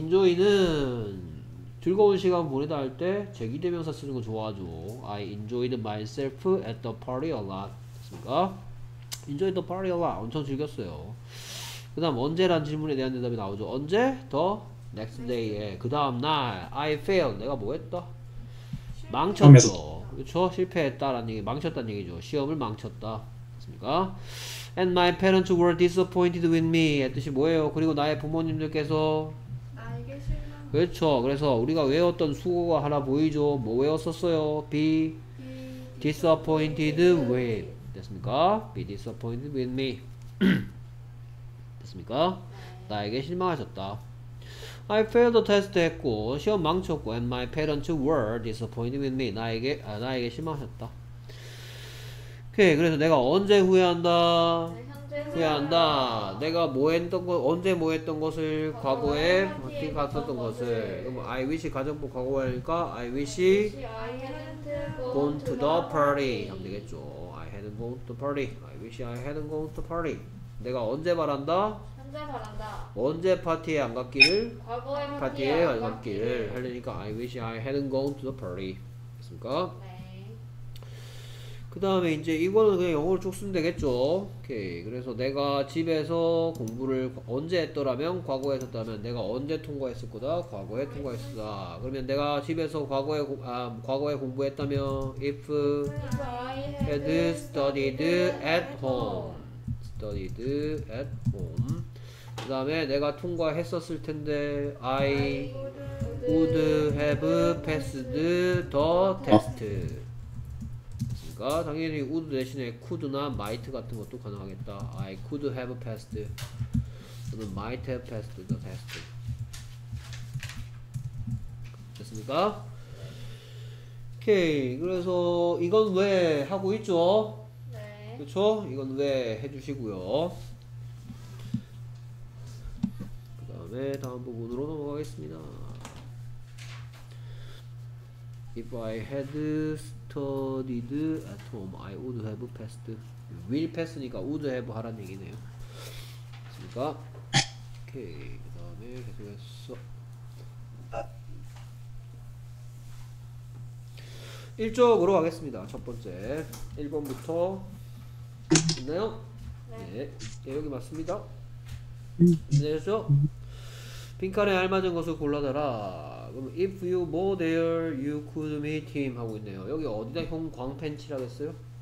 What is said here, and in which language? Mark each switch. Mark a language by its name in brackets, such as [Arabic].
[Korean] Enjoy는 즐거운 시간 보내다 할때 제기대명사 쓰는 거 좋아하죠. [English] I enjoyed myself at the party a lot. [Korean] 됐습니까? [English] Enjoyed the party a lot. [Korean] 엄청 즐겼어요. 그 다음 언제란 질문에 대한 대답이 나오죠. 언제? The next day에. 그 다음 날. [English] I failed. [Korean] 내가 뭐 했다? 망쳤죠. 그렇죠? 실패했다라는 얘기. 망쳤다는 얘기죠. 시험을 망쳤다. 됐습니까? [English] And my parents were disappointed with me. [Korean] 뜻이 뭐예요? 그리고 나의 부모님들께서. 나에게 그렇죠. 그래서 우리가 외웠던 수고가 하나 보이죠. 뭐 외웠었어요? [English] Be disappointed with. [Korean] 됐습니까? [English] Be disappointed with me. [Korean] 됐습니까? 나에게 실망하셨다. [English] I failed the test [Korean] 했고 시험 망쳤고 [English] and my parents were disappointed with me. [Korean] 나에게 실망하셨다. 오케이. 그래서 내가 언제 후회한다? 후회한다. 내가 뭐 했던 거 언제 뭐 했던 것을 과거에 파티 갔었던 것을. [English] 그럼 I wish [Korean] 가정법 과거니까 [English] I wish I hadn't gone to gone to the party 하면 the party. [Korean] 되겠죠. [English] I hadn't gone to the party. I wish I hadn't gone to the party. [Korean] 내가 언제 말한다? 현재 바란다. 언제 파티에 안 갔길? 과거의 파티에 파티에 안 안 갔길. 갔길. 하려니까 [English] I wish I hadn't gone to the party. [Korean] 됐습니까? 네. 그 다음에 이제 이거는 그냥 영어로 쭉 쓰면 되겠죠. 오케이. 그래서 내가 집에서 공부를 언제 했더라면 과거에 했었다면 내가 언제 통과했을 거다? 과거에 통과했었다. 그러면 내가 집에서 과거에 공부했다면 if [English] I had had studied studied at at home. home. Studied at home. [Korean] 그 다음에 내가 통과했었을 텐데 I [English] would have passed the test. [Korean] 그러니까 당연히 would 대신에 could나 might 같은 것도 가능하겠다. [English] I could have passed 또는 might have passed the test. [Korean] 됐습니까? 오케이. 그래서 이건 왜 하고 있죠? 그렇죠? 이건 왜 해주시고요. 그 다음에 다음 부분으로 넘어가겠습니다. [English] If I had studied at home, I would have passed. Will pass니까 would have [Korean] 하라는 얘기네요. 됐습니까? 오케이. 그 다음에 계속해서 1쪽으로 가겠습니다. 첫 번째 1번부터 있나요? 네. 네. 네, 여기 맞습니다. 네, 그렇죠? 빈칸에 알맞은 것을 골라달라. 그럼 [English] if you were there, you could meet him [Korean] 하고 있네요. 여기 어디다 형 광팬치라고 했어요?